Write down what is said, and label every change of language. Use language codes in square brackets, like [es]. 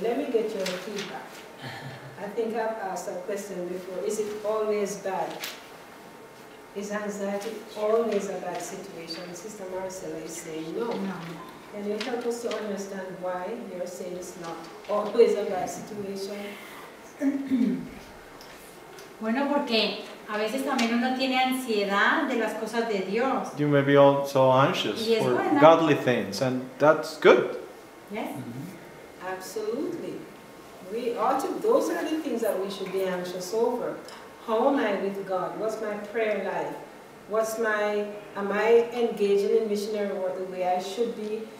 [en] Let me get your feedback. I think I've asked that question before. Is it always bad? Is anxiety always a bad situation? Sister Marcella is saying no. Can you help us to understand why you're saying it's not always a bad situation? [es] Bueno, porque a veces también uno tiene ansiedad de las cosas de Dios. [en] You may be also anxious for godly things, and that's good. Yes, mm-hmm. Absolutely. We ought to. Those are the things that we should be anxious over. How am I with God? What's my prayer life? Am I engaging in missionary work the way I should be?